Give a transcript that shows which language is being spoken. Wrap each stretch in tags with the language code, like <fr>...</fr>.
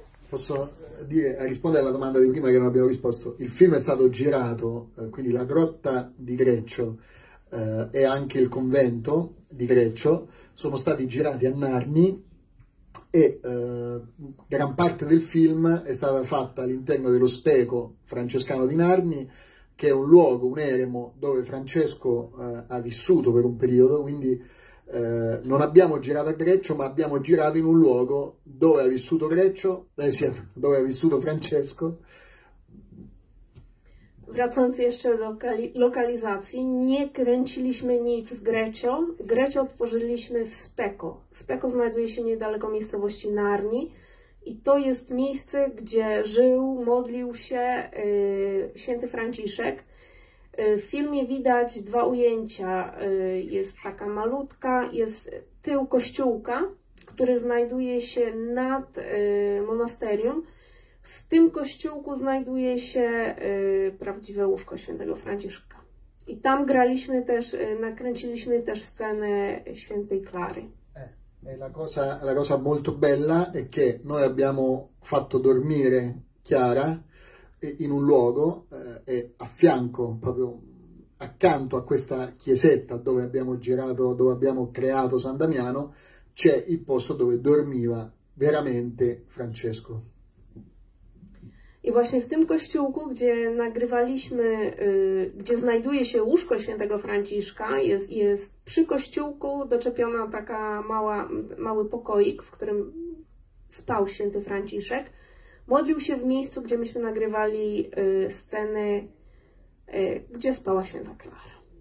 <it>Posso dire, a rispondere alla domanda di prima che non abbiamo risposto, il film è stato girato, quindi la grotta di Greccio e anche il convento di Greccio sono stati girati a Narni e gran parte del film è stata fatta all'interno dello Speco francescano di Narni, che è un luogo, un eremo dove Francesco ha vissuto per un periodo, quindi non abbiamo girato a Greccio, ma abbiamo girato in un luogo dove ha vissuto Greccio, dove ha vissuto Francesco.</it> <pl>Wracając jeszcze do lokalizacji, nie kręciliśmy nic w Greccio. Greccio otworzyliśmy w Speco. Speco znajduje się niedaleko miejscowości Narni i to jest miejsce, gdzie żył, modlił się święty Franciszek. W filmie widać dwa ujęcia. Jest taka malutka, jest tył kościółka, który znajduje się nad monasterium. W tym kościółku znajduje się prawdziwe łóżko świętego Franciszka. I tam graliśmy też, nakręciliśmy też scenę świętej Klary.</pl> <it>La cosa molto bella è che noi abbiamo fatto dormire Chiara in un luogo a fianco, proprio accanto a questa chiesetta dove abbiamo girato, dove abbiamo creato San Damiano, c'è il posto dove dormiva veramente Francesco.</it> <pl>I właśnie w tym kościółku, gdzie nagrywaliśmy, gdzie znajduje się łóżko świętego Franciszka, jest przy kościółku doczepiona taka mały pokoik, w którym spał święty Franciszek. Modlił się w miejscu, gdzie myśmy nagrywali sceny, gdzie spała święta Klara.</pl>